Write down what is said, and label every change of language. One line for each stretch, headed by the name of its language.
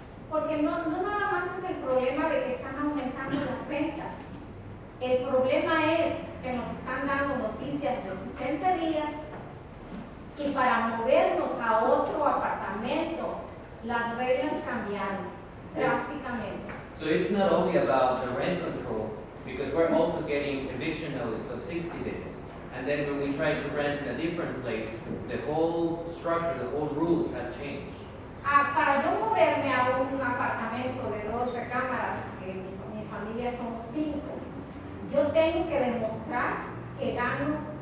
Spanish: Porque no nada más es el problema de que están aumentando las rentas. El problema es que nos están dando noticias de 60 días. Y para movernos a otro apartamento, las reglas cambiaron drásticamente.
English: So it's not only about the rent control, because we're also getting eviction notice of 60 days. And then when we try to rent in a different place, the whole structure, the whole rules have changed.
Spanish: Para yo moverme a un apartamento de dos recámaras, porque mi familia somos cinco, yo tengo que demostrar que gano